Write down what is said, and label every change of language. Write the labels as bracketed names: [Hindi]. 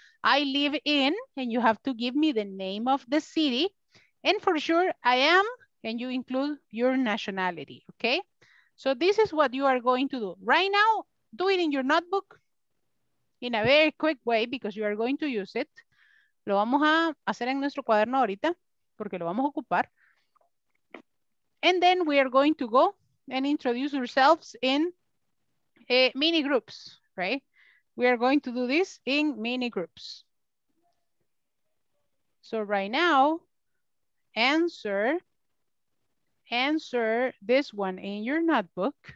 [English] I live in, and you have to give me the name of the city. And for sure, I am, and you include your nationality, okay? So this is what you are going to do. Right now, do it in your notebook in a very quick way because you are going to use it. [Spanish] Lo vamos a hacer en nuestro cuaderno ahorita porque lo vamos a ocupar. [English] And then we are going to go and introduce ourselves in mini groups, right? We are going to do this in mini groups. So right now, answer this one in your notebook.